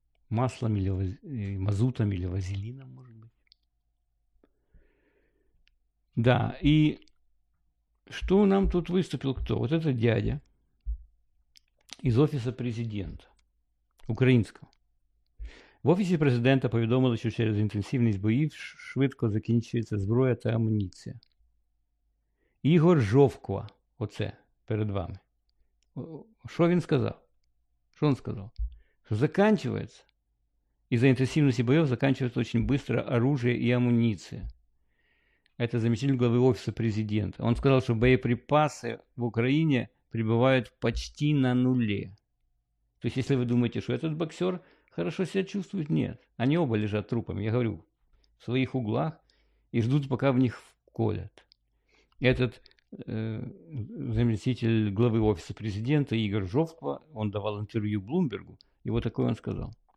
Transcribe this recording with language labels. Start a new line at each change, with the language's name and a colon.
Russian: маслом или мазутом или вазелином, может быть. Да, и что нам тут выступил кто? Вот этот дядя из офиса президента украинского.
Ukrainian: В офісі президента повідомили, що через інтенсивність боїв швидко закінчується зброя та амуніція. Ігор Жовква, оце, перед вами. Що він сказав? Що він сказав? Що заканчується. Із-за інтенсивності боїв заканчується дуже швидко
Russian: оружие
Ukrainian: і амуніція. Це заміщення голови офісу президента. Він сказав, що боєприпаси в Україні прибувають
Russian: почти
Ukrainian: на нулі. Тобто, якщо ви думаєте, що цей боксер
Russian: хорошо себя чувствуют? Нет. Они оба лежат трупами, я говорю, в своих углах и ждут, пока в них вколят. Этот заместитель главы офиса президента Игорь Жовква, он давал интервью Блумбергу, и вот такое он сказал.